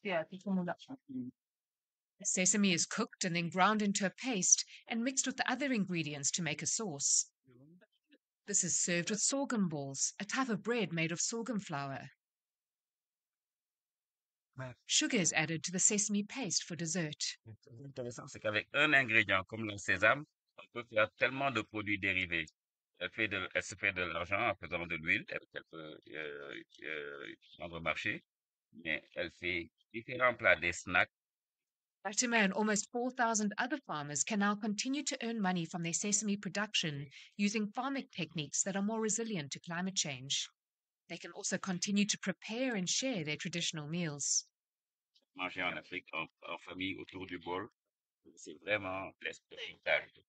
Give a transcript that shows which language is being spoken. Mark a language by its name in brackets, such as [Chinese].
[English] The sesame is cooked and then ground into a paste and mixed with the other ingredients to make a sauce. This is served with sorghum balls, a type of bread made of sorghum flour. Sugar is added to the sesame paste for dessert. [French] Intéressant, c'est qu'avec un ingrédient comme le sésame, on peut faire tellement de produits dérivés. Elle se fait de l'argent en faisant de l'huile, elle peut prendre marché. Mais elle fait différents plats, des snacks. [English] Fatima and almost 4,000 other farmers can now continue to earn money from their sesame production using farming techniques that are more resilient to climate change. They can also continue to prepare and share their traditional meals. [French] Manger en Afrique en famille autour du bol, c'est vraiment l'expérimentage.